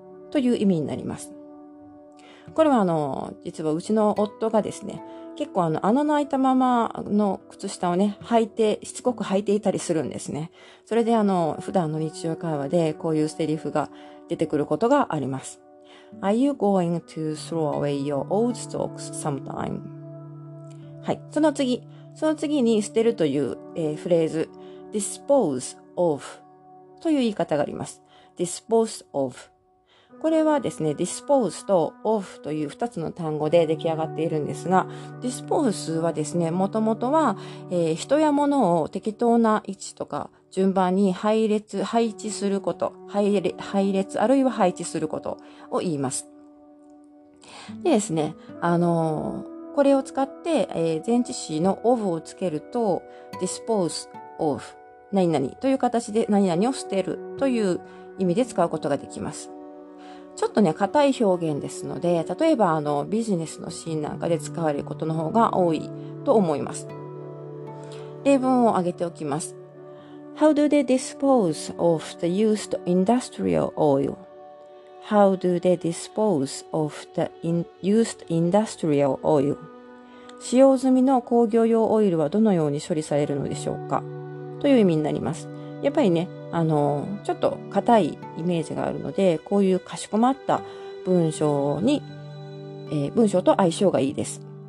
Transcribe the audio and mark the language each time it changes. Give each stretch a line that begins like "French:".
Japanese: という意味になります。これは実はうちの夫がですね、結構穴の開いたままの靴下をね、しつこく履いていたりするんですね。それで普段の日常会話でこういうセリフが出てくることがあります。
English: Are you going to throw away your old socks sometime?
Japanese: はい。その次に捨てるという、フレーズ、dispose of という言い方があります。dispose of。これはですね、dispose と of という2つの単語で出来上がっているんですが、dispose はですね、もともとは、人や物を適当な位置とか、順番に配置することを言います。でですね、これを使って、前置詞の of をつけると、dispose of 何々という形で何々を捨てるという意味で使うことができます。ちょっとね、硬い表現ですので、例えばビジネスのシーンなんかで使われることの方が多いと思います。例文を挙げておきます。
English: How do they dispose of the used industrial oil? How do they dispose of the used industrial oil?
Japanese: 使用済みの工業用オイルはどのように処理されるのでしょうか?という意味になります。やっぱりね、ちょっと硬いイメージがあるので、こういうかしこまった文章と相性がいいです。